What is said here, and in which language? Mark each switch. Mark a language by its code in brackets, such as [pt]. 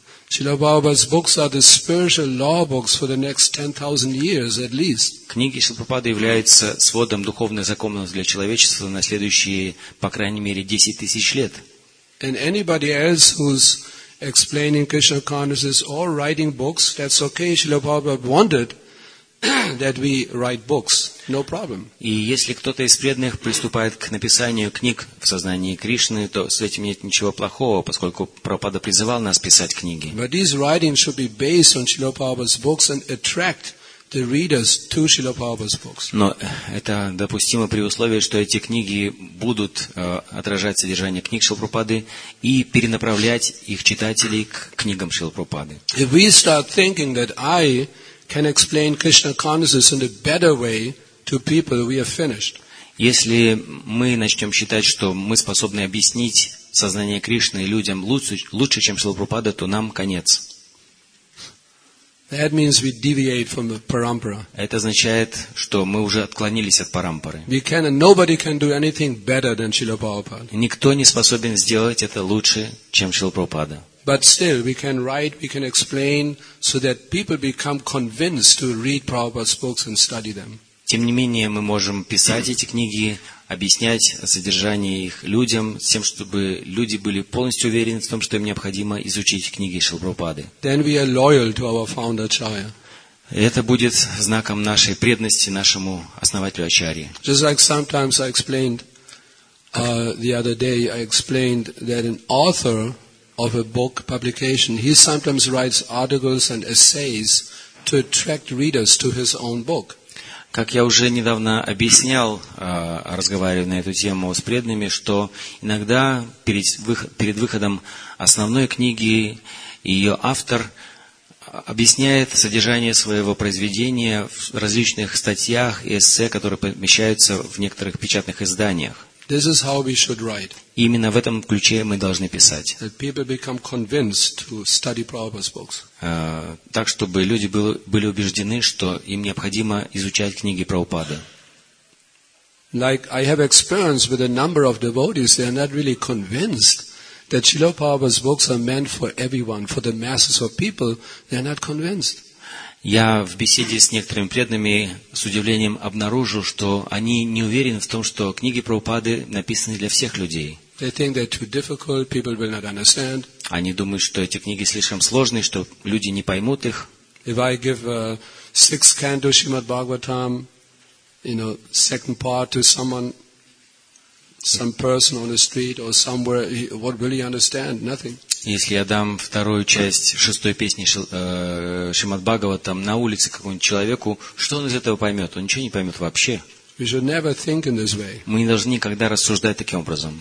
[en] Srila Prabhupada's books are the spiritual law books for the next 10,000 years at least. [ru] Книги Шрилы Прабхупады являются сводом духовных законов для человечества на следующие, по крайней мере, 10 тысяч лет. [en] And anybody else who's explaining Krishna consciousness or writing books, that's okay. Srila Prabhupada wanted that we write books. No problem. [ru] И если кто-то из преданных приступает к написанию книг в сознании Кришны, то с этим нет ничего плохого, поскольку Прабхупада призывал нас писать книги. [en] But these writings should be based on Srila Prabhupada's books and attract the readers to Srila Prabhupada's books. [ru] Но это допустимо при условии, что эти книги будут отражать содержание книг Шрилы Прабхупады и перенаправлять их читателей к книгам Шрилы Прабхупады. [en] If we start thinking that I can explain Krishna consciousness in a better way to people, we are finished. [ru] Если мы начнем считать, что мы способны объяснить сознание Кришны людям лучше, чем Шрила Прабхупада, то нам конец. [en] That means we deviate from the parampara. [ru] Это означает, что мы уже отклонились от парампары. [en] We can, and nobody can do anything better than Srila Prabhupada. [ru] Никто не способен сделать это лучше, чем Шрила Прабхупада. [en] But still, we can write, we can explain, so that people become convinced to read Prabhupada's books and study them. [ru] Тем не менее, мы можем писать эти книги, объяснять содержание их людям, с тем, чтобы люди были полностью уверены в том, что им необходимо изучить книги Шрилы Прабхупады. [en] Then we are loyal to our founder Acharya. [ru] Это будет знаком нашей преданности нашему основателю Ачарье. [en] Just like sometimes I explained the other day, I explained that an author of a book publication, he sometimes writes articles and essays to attract readers to his own book. [ru] Как я уже недавно объяснял, разговаривая на эту тему с преданными, что иногда перед выходом основной книги ее автор объясняет содержание своего произведения в различных статьях и эссе, которые помещаются в некоторых печатных изданиях. [en] This is how we should write. [ru] Именно в этом ключе мы должны писать. [en] That people become convinced to study Prabhupada's books. [ru] Так, чтобы люди были убеждены, что им необходимо изучать книги Прабхупады. [en] Like I have experience with a number of devotees, they are not really convinced that Srila Prabhupada's books are meant for everyone, for the masses of people. They are not convinced. [ru] Я в беседе с некоторыми преданными с удивлением обнаружил, что они не уверены в том, что книги Прабхупады написаны для всех людей. [en] They think they're too difficult, people will not understand. [ru] Они думают, что эти книги слишком сложные, что люди не поймут их. [en] If I give a sixth canto Shrimad Bhagavatam, you know, second part to someone, some person on the street or somewhere, what will he understand? Nothing. [ru] Если я дам вторую часть шестой песни Шримад Бхагаватам на улице какому-нибудь человеку, что он из этого поймет? Он ничего не поймет вообще. [en] We should never think in this way. [ru] Мы не должны никогда рассуждать таким образом.